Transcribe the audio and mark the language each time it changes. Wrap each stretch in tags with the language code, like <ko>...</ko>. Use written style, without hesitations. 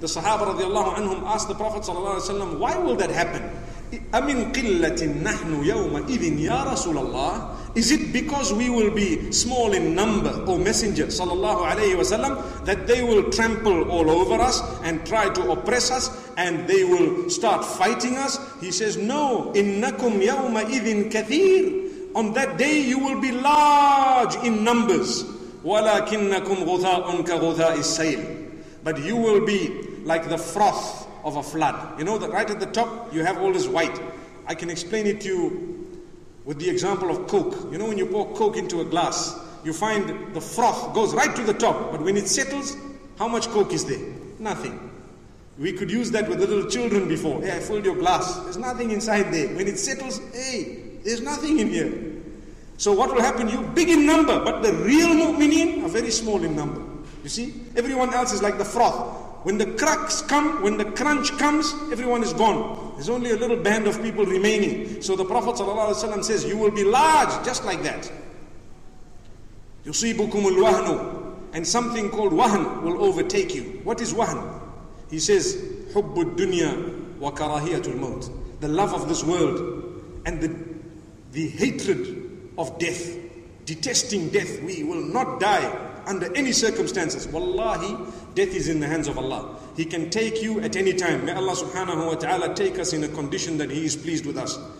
<en>The Sahaba radiallahu anhum asked the Prophet sallallahu alaihi wasallam, why will that happen?</en> <ar>أَمِنْ قِلَّةٍ نَحْنُ يَوْمَ إِذٍ يَا رَسُولَ اللَّهِ.</ar> <en>Is it because we will be small in number, O Messenger sallallahu alayhi wa sallam, that they will trample all over us and try to oppress us and they will start fighting us? He says, no,</en> <ar>إِنَّكُمْ يَوْمَ إِذٍ كَثِيرٌ.</ar> <en>On that day you will be large in numbers.</en> <ar>وَلَكِنَّكُمْ غُثَاءٌ كَغُثَاءِ السَّيْلِ.</ar> <en>But you will be like the froth of a flood. You know that right at the top you have all this white. I can explain it to you with the example of Coke. You know when you pour Coke into a glass, you find the froth goes right to the top. But when it settles, how much Coke is there? Nothing. We could use that with the little children before. Hey, I filled your glass. There's nothing inside there. When it settles, hey, there's nothing in here. So what will happen? You're big in number, but the real mu'mineen are very small in number. You see? Everyone else is like the froth. When the cracks come, when the crunch comes, everyone is gone. There's only a little band of people remaining. So the Prophet ﷺ says, you will be large just like that.</en> <ar>يُصِيبُكُمُ الْوَهْنُ.</ar> <en>And something called wahn will overtake you. What is wahn? He says,</en> <ar>حُبُّ الدُّنْيَا وَكَرَاهِيَةُ الْمَوْتِ.</ar> <en>The love of this world and the hatred of death, detesting death. We will not die under any circumstances. Wallahi, death is in the hands of Allah. He can take you at any time. May Allah subhanahu wa ta'ala take us in a condition that He is pleased with us.</en>